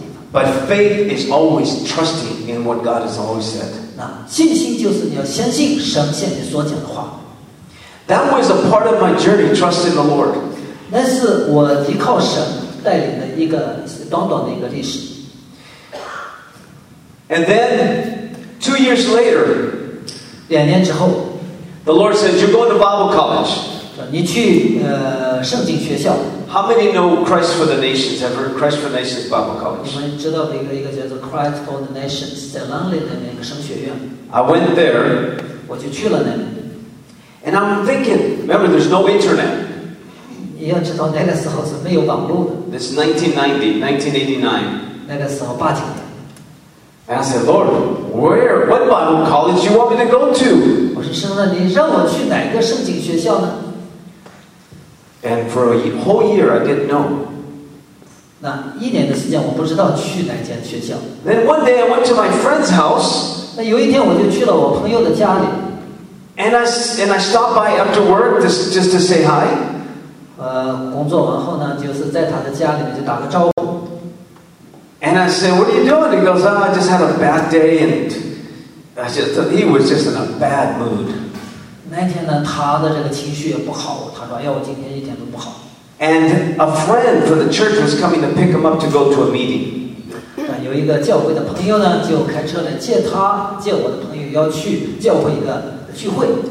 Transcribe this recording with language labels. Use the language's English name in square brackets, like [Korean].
[English] But faith is always trusting in what God has always said. [Chinese] 那信心就是你要相信神向你所讲的话。 [English] That was a part of my journey, trusting the Lord. [Chinese] 那是我依靠神带领的一个短短的一个历史。 [English] And then, 2 years later, [Chinese] 两年之后 [English] ，The Lord said, "You're going to Bible college." [Chinese] 你去圣经学校。 [English] How many know Christ for the Nations? Ever Christ for the Nations Bible College? [Chinese] 你们知道一个叫做 Christ for the Nations 在 London 的那个神学院。 [English] I went there. [Chinese] 我就去了那里。 [English] And I'm thinking, remember, there's no internet. [Chinese] 你要知道那个时候是没有网络的。 [English] This 1989. [Chinese] 那个时候八九年。 [English] And I said, Lord, what Bible college you want me to go to? [Chinese] 我说神啊，你让我去哪个圣经学校呢？ [English] And for a whole year, I didn't know. [Chinese] 那一年的时间，我不知道去哪间学校。 [English] Then one day I went to my friend's house. [Chinese] 那有一天我就去了我朋友的家里。 [English] And I stopped by after work just to say hi. [Chinese] 工作完后呢，就是在他的家里面就打个招呼。 [English] And I said, "What are you doing?" He goes, "Oh, I just had a bad day," and I just thought he was just in a bad mood. [Chinese] 那天呢，他的这个情绪也不好。他说：“哎，我今天一点都不好。” [English] And a friend from the church was coming to pick him up to go to a meeting. [Chinese] 有一个教会的朋友呢，就开车来接他，接我的朋友要去教会一个聚会。